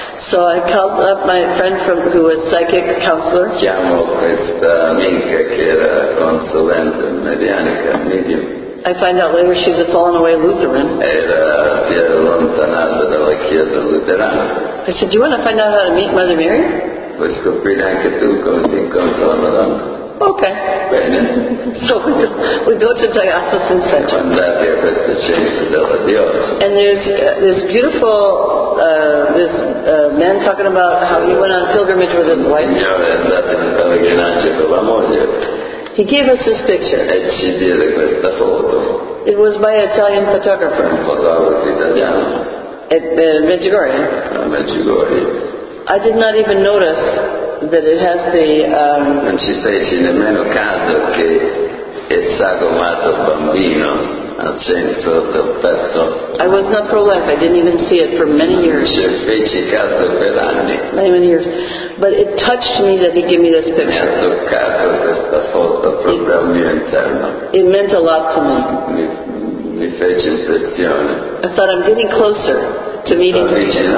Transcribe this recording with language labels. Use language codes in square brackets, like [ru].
[en] So I called up my friend from who was psychic counselor. [it] Chiamo questa amica che era consulente medianica medium. [en] I find out later she's a fallen away Lutheran. [it] Era si è allontanata dalla chiesa luterana. [en] I said, do you want to find out how to meet Mother Mary? [it] Vuoi scoprire anche tu come si incontra la Madonna? [en] Okay. [it] Bene. [en] So we go to diocesan center. And that is the church of the diocese. And there's this beautiful man talking about how he went on pilgrimage with his wife. [it] Signore, andate in pellegrinaggio con la moglie. [en] He gave us this picture. [it] E ci diede questa foto. [en] It was by an Italian photographer. [it] Un fotografo italiano. [en] At Medjugorje. [it] Medjugorje. [en] I did not even notice that it has the [it] non ci feci nemmeno caso che è sagomato bambino al centro del petto. [en] I was not pro-life. I didn't even see it for many years. [it] Non ci feci caso per anni. [en] Many years. But it touched me that he gave me this picture. [it] Mi ha toccato questa foto proprio al mio interno. [en] It meant a lot to me. [it] Mi fece impressione. [en] I thought I'm getting closer to meeting him.